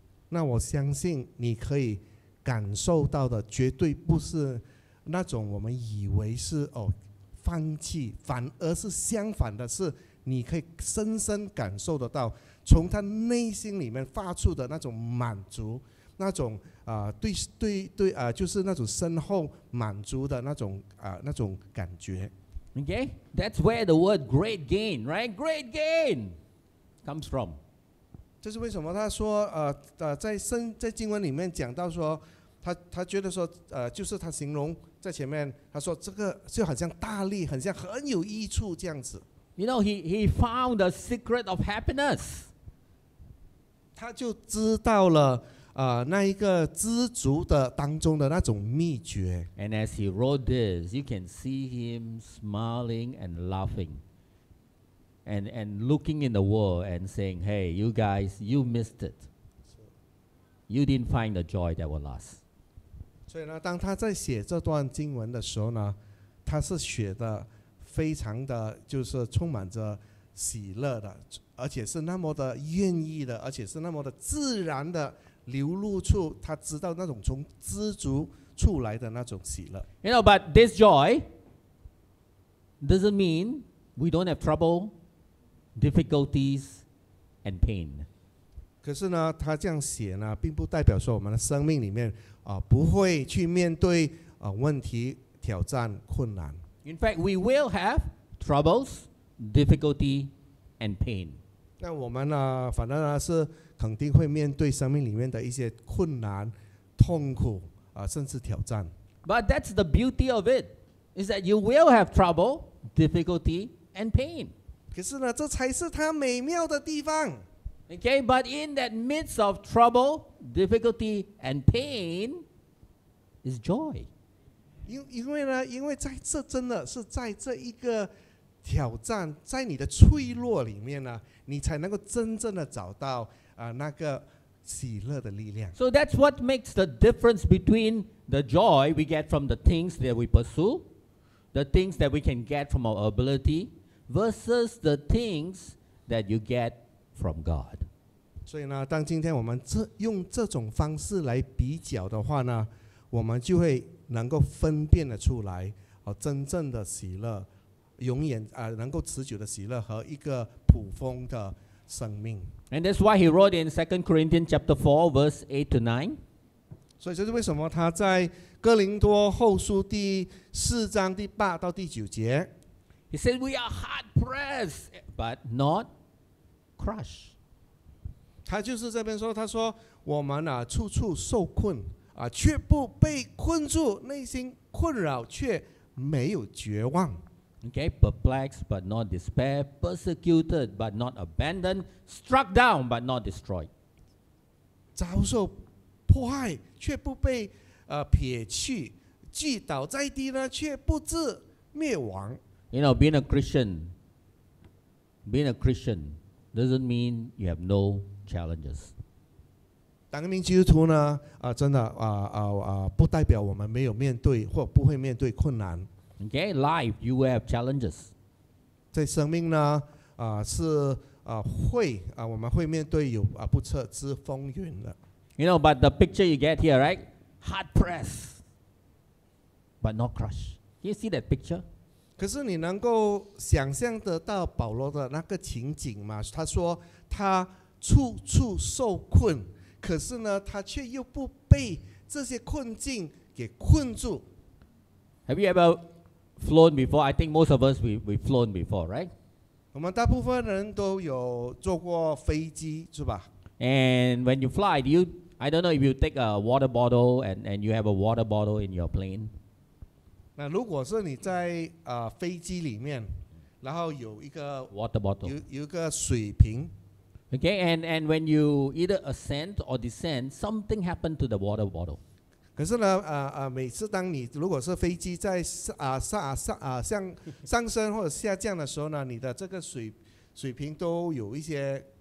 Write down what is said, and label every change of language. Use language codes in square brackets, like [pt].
[zh] 那我相信你可以感受到的绝对不是那种我们以为是放弃，反而是相反的是你可以深深感受得到从他内心里面发出的那种满足，那种对就是那种深厚满足的那种感觉。 [en] Okay, that's where the word great gain, right? Great gain comes from. [zh] 这是为什么他说在经文里面讲到说他觉得说就是他形容在前面他说这个就好像大力，很像很有益处这样子。 [en] You know, he found the secret of happiness. [zh] 他就知道了那一个知足的当中的那种秘诀。 [en] And as he wrote this, you can see him smiling and laughing and looking in the world and saying, hey, you guys, you missed it. You didn't find the joy that will last. [zh] 所以呢，当他在写这段经文的时候呢，他是写的非常的就是充满着喜乐的，而且是那么的愿意的，而且是那么的自然的流露出他知道那种从知足出来的那种喜乐。 [en] You know, but this joy doesn't mean we don't have trouble, difficulties, and pain. [zh] 可是呢，他这样写呢，并不代表说我们的生命里面不会去面对问题、挑战、困难。 [en] In fact, we will have troubles, difficulty, and pain. [zh] 那我们呢，反正呢是肯定会面对生命里面的一些困难、痛苦甚至挑战。 [en] But that's the beauty of it, is that you will have trouble, difficulty, and pain. [zh] 可是呢，这才是它美妙的地方。 [en] Okay, but in that midst of trouble, difficulty, and pain, is joy. [zh] 因为在这真的是在这一个挑战，在你的脆弱里面呢。你才能够真正的找到那个喜乐的力量。 [en] So that's what makes the difference between the joy we get from the things that we pursue, the things that we can get from our ability, versus the things that you get from God. [zh] 所以呢，当今天我们用这种方式来比较的话呢，我们就会能够分辨的出来，真正的喜乐，永远能够持久的喜乐和一个普通的生命。 [en] And that's why he wrote in 2 Corinthians chapter 4 verse 8 to 9. [zh] 所以这是为什么他在哥林多后书第四章第八到第九节。 [en] He said we are hard pressed but not crushed. [zh] 他就是这边说，他说我们处处受困，却不被困住，内心困扰却没有绝望。 [en] Okay, perplexed but not despair, persecuted but not abandoned, struck down but not destroyed. [zh] 遭受迫害却不被撇弃，击倒在地呢却不致灭亡。 [en] You know, being a Christian doesn't mean you have no challenges. [zh] 当一名基督徒呢，真的不代表我们没有面对或不会面对困难。 [en] Okay, life, you have challenges. [zh] 在生命呢，是会我们会面对有不测之风云的。 [en] You know, but the picture you get here, right? Hard pressed, but not crushed. Can you see that picture? [zh] 可是你能够想象得到保罗的那个情景吗？他说他处处受困，可是呢，他却又不被这些困境给困住。 [en] Have you ever flown before? I think most of us we flown before, right? [zh] 我们大部分人都有坐过飞机，是吧？ [en] And when you fly, do you, I don't know if you take a water bottle and you have a water bottle in your plane. [zh] 那如果是你在飞机里面，然后有一个 [en] water bottle, [zh] 有一个水瓶。 [en] Okay, and when you either ascend or descend, something happened to the water bottle. [zh] 可是呢，每次当你如果是飞机在向上升或者下降的时候呢，你的这个水瓶都有一些